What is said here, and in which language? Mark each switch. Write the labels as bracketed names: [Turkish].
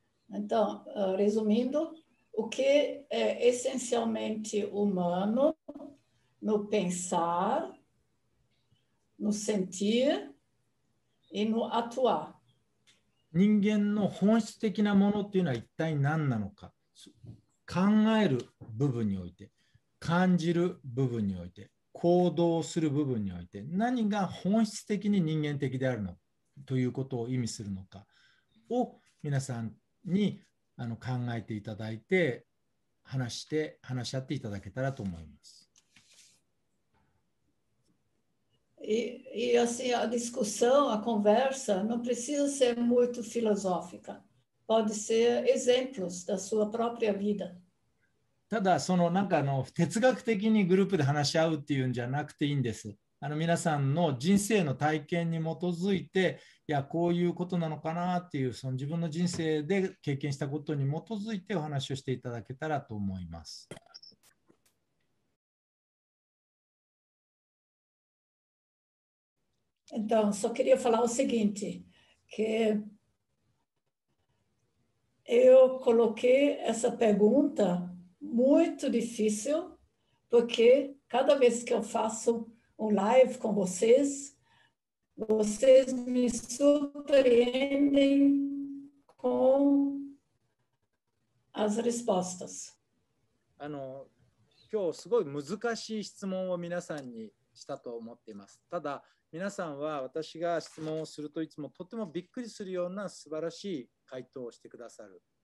[Portuguese] Então, resumindo, o que é essencialmente humano no pensar, no sentir e no atuar? [Japanese] 人間の本質的なものっていうのは一体何なのか。考える部分において、感じる部分において、行動する部分において、何が本質的に人間的であるのということを意味するのかを皆さんに考えていただいて、話し合っていただけたらと思います。 [Portuguese] E assim, a discussão, a conversa, não precisa ser muito filosófica. Pode ser exemplos da sua própria vida. [Japanese] ただその何か哲学的にグループで話し合うっていうんじゃなくていいんです。皆さんの人生の体験に基づいて、いやこういうことなのかなっていう、その自分の人生で経験したことに基づいてお話をしていただけたらと思います。 [Portuguese] Então, só queria falar o seguinte, que Eu coloquei essa pergunta muito difícil, porque cada vez que eu faço um live com vocês, vocês me surpreendem com as respostas. [Japanese] あの、今日すごい難しい質問を皆さんにしたと思っています。ただ、皆さんは私が質問をするといつもとてもびっくりするような素晴らしい回答をしてくださる。